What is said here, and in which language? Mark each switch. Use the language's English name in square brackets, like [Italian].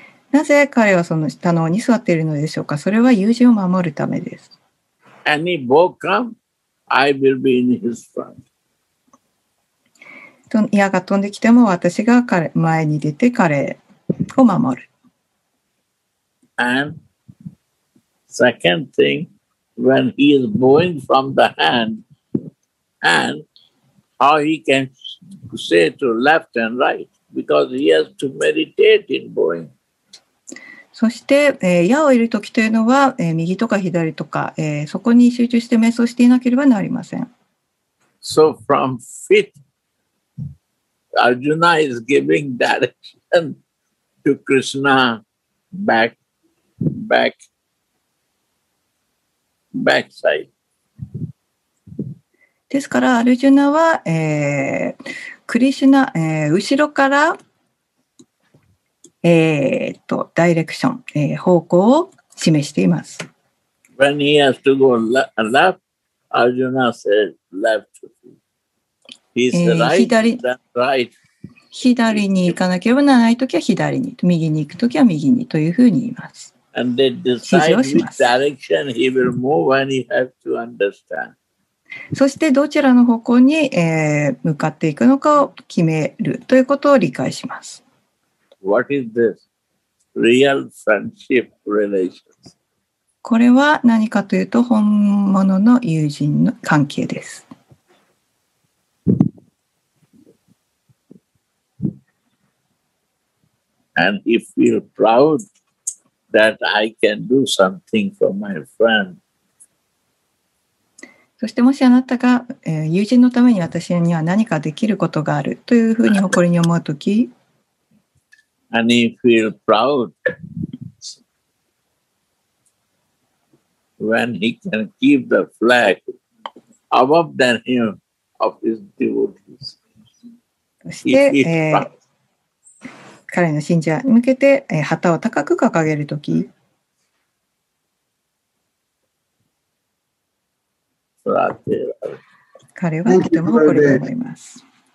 [Japanese] なぜ彼はその下の方に座っているのでしょうか。それは友人を守るためです。 [English] Any bow come, I will be in his front. [Japanese] 矢が飛んできても私が前に出て彼を守る。 [English] And second thing, when he is bowing from the hand, and how he can. Say to left and right because he has to meditate in bowing. [Japanese] そして、矢をいるときというのは、右とか左とか、そこに集中して瞑想していなければなりません。 [English] So from feet, Arjuna is giving direction to Krishna backside. [Japanese] ですからアルジュナは、クリシュナ、後ろから、ダイレクション、方向を示しています。 [English] When he has to go left, Arjuna says left. He's right, then right. [Japanese] 左に行かなければならないときは左に、右に行くときは右にというふうに言います。 [English] And they decide which direction he will move when he has to understand. [Japanese] そしてどちらの方向に、向かっていくのかを決めるということを理解します。 [English] What is this? Real friendship relations. [Japanese] これは何かというと本物の友人の関係です。 [English] And he feels proud that I can do something for my friend. [Japanese] そしてもしあなたが、友人のために私には何かできることがあるというふうに誇りに思うとき、 [English] And he feels proud when he can keep the flag above than him of his devotees. [Japanese] そして、彼の信者に向けて、旗を高く掲げるとき、彼はとても誇りと思います。